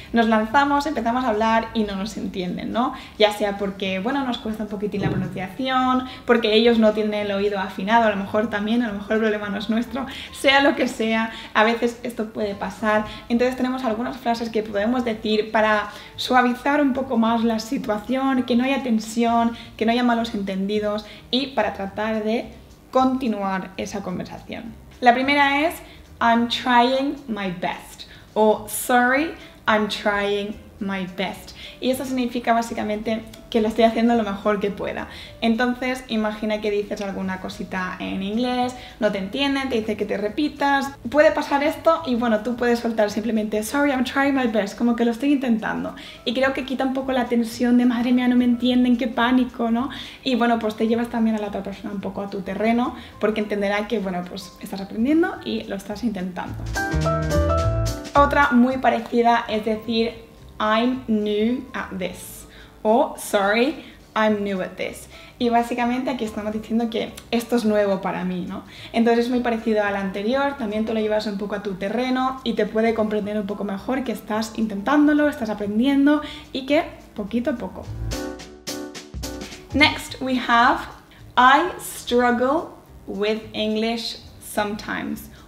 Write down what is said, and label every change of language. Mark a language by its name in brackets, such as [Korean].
[Spanish] Nos lanzamos, empezamos a hablar y no nos entienden, ¿no? Ya sea porque, bueno, nos cuesta un poquitín la pronunciación, porque ellos no tienen el oído afinado, a lo mejor también, a lo mejor el problema no es nuestro, sea lo que sea, a veces esto puede pasar. Entonces tenemos algunas frases que podemos decir para suavizar un poco más la situación, que no haya tensión, que no haya malos entendidos y para tratar de continuar esa conversación. La primera es [English] I'm trying my best o sorry, I'm trying my best. [Spanish] Y eso significa básicamente que lo estoy haciendo lo mejor que pueda. Entonces, imagina que dices alguna cosita en inglés, no te entienden, te dice que te repitas. Puede pasar esto y bueno, tú puedes soltar simplemente [English] sorry, I'm trying my best, [Spanish] como que lo estoy intentando. Y creo que quita un poco la tensión de madre mía, no me entienden, qué pánico, ¿no? Y bueno, pues te llevas también a la otra persona un poco a tu terreno, porque entenderá que bueno, pues estás aprendiendo y lo estás intentando. Otra muy parecida es decir [English] I'm new at this. [Spanish] O, [English] sorry, I'm new at this. [Spanish] Y básicamente aquí estamos diciendo que esto es nuevo para mí, ¿no? Entonces es muy parecido al anterior, también te lo llevas un poco a tu terreno y te puede comprender un poco mejor que estás intentándolo, estás aprendiendo y que poquito a poco. [English] Next we have I struggle with English sometimes.